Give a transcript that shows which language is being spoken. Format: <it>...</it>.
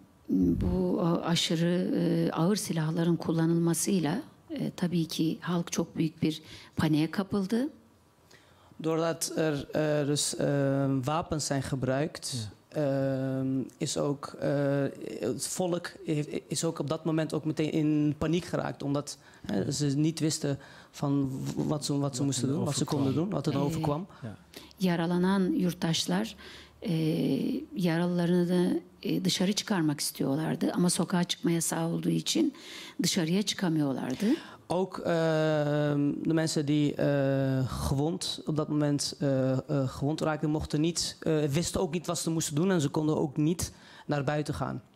<tr>Bu aşırı ağır silahların kullanılmasıyla tabii ki halk çok büyük bir paniğe kapıldı.</tr> <nl>Doordat er dus wapens zijn gebruikt, is ook het volk is ook op dat moment ook meteen in paniek geraakt, omdat ze niet wisten van wat ze moesten doen, wat ze konden doen, wat er overkwam.</nl> <tr>Yaralanan yurttaşlar yaralılarını da dışarı çıkarmak istiyorlardı ama sokağa çıkma yasağı olduğu için dışarıya çıkamıyorlardı.</tr> <nl>Ook de mensen die gewond op dat moment gewond raakten mochten niet wisten ook niet wat ze moesten doen en ze konden ook niet naar buiten gaan.</nl>